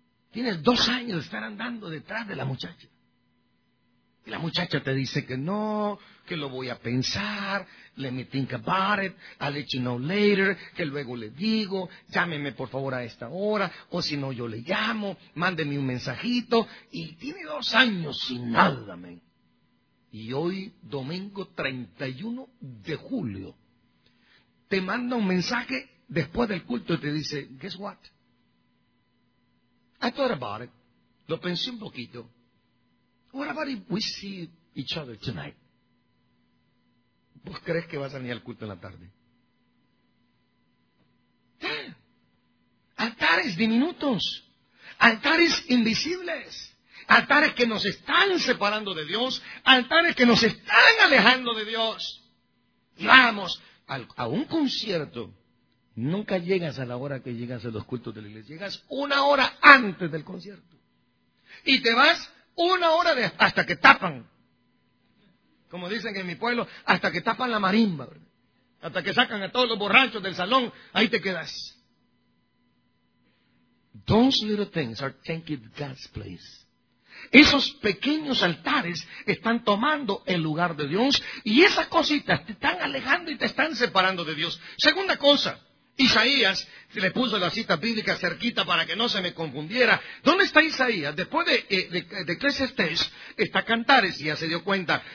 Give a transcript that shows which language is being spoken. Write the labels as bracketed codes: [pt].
[es] Tienes 2 años de estar andando detrás de la muchacha. Y la muchacha te dice que no, que lo voy a pensar, [en] let me think about it, I'll let you know later, [es] que luego le digo, llámeme por favor a esta hora, o si no yo le llamo, mándeme un mensajito, y tiene 2 años sin nada, men. Y hoy, domingo 31 de julio, te manda un mensaje después del culto y te dice, [en] guess what? I thought about it, [es] lo pensé un poquito. [en] What about if we see each other tonight? [es] ¿Vos crees que vas a venir al culto en la tarde? Altares diminutos. Altares invisibles. Altares que nos están separando de Dios. Altares que nos están alejando de Dios. Y vamos a un concierto. Nunca llegas a la hora que llegas a los cultos de la iglesia. Llegas 1 hora antes del concierto. Y te vas 1 hora de, hasta que tapan, como dicen en mi pueblo, hasta que tapan la marimba, ¿verdad? Hasta que sacan a todos los borrachos del salón, ahí te quedas. [en] Those little things are taking God's place. [es] Esos pequeños altares están tomando el lugar de Dios y esas cositas te están alejando y te están separando de Dios. Segunda cosa. Isaías, se le puso la cita bíblica cerquita para que no se me confundiera. ¿Dónde está Isaías? Después de Eclesiastés, está Cantares, y ya se dio cuenta.